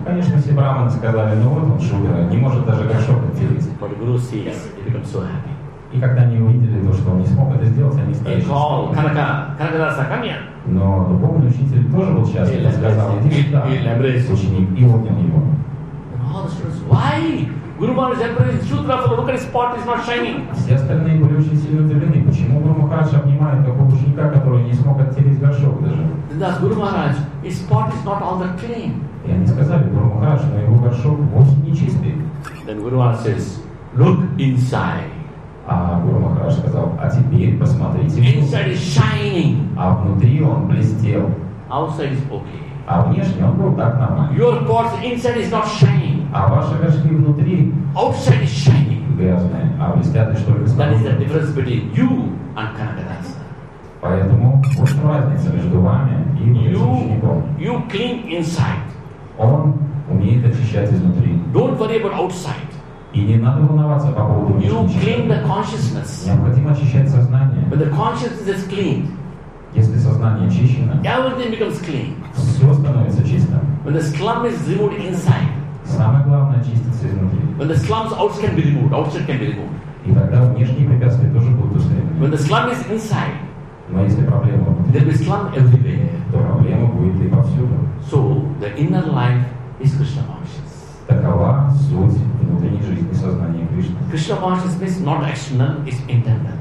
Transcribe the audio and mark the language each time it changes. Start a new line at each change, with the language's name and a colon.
Russian: Конечно, все брахманы сказали, ну вот он Шудра, не может даже горшок отделить.
English: But Guru sees, he becomes so happy.
Russian: И когда они увидели то, что он не смог это сделать, они стали счастливы.
English: He called Kanakadasa, come here.
Russian: Но духовный учитель тоже был счастлив, и сказал, иди сюда, ученик, и обнял его.
English: And all the students, why? Guru Maharaj embraces Shudra, look at his pot, it's not shining.
Russian: Все остальные были очень сильно удивлены. Почему Guru Maharaj обнимает такого ученика, который не смог оттереть горшок даже?
English: Then that's Guru Maharaj, his pot is not all that clean.
Russian: И они сказали, Guru Maharaj, но его горшок вовсе не чистый.
English: Then Guru Maharaj says, look inside.
Russian: А Guru Maharaj сказал, а теперь посмотрите.
English: Inside is shining.
Russian: А внутри он блестел.
English: Outside is okay.
Russian: А внешне он был так нормально.
English: Your pot inside is not shining.
Russian: А ваши горшки внутри
English: outside is shining.
Russian: Грязные, а блестят лишь только снаружи.
English: That is the difference between you and Kanakadasa.
Russian: Поэтому вот разница между вами и учеником.
English: You clean inside.
Russian: Он умеет очищать изнутри.
English: Don't worry about outside.
Russian: И не надо волноваться по поводу внешнего.
English: You clean the consciousness.
Russian: Необходимо очищать сознание.
English: But the consciousness is cleaned.
Russian: Если сознание очищено,
English: everything becomes clean.
Russian: Все становится чистым.
English: When the slum is removed inside.
Russian: Самое главное чиститься изнутри.
English: When the slums outside can be removed, outside can be removed.
Russian: И тогда внешние препятствия тоже будут устранены.
English: When the slum is inside.
Russian: Но если проблема внутри,
English: there will be slum everywhere.
Russian: То проблема будет и повсюду.
English: So the inner life is Krishna conscious.
Russian: Такова суть внутренней жизни сознания Кришны.
English: Krishna consciousness is not external, it's internal.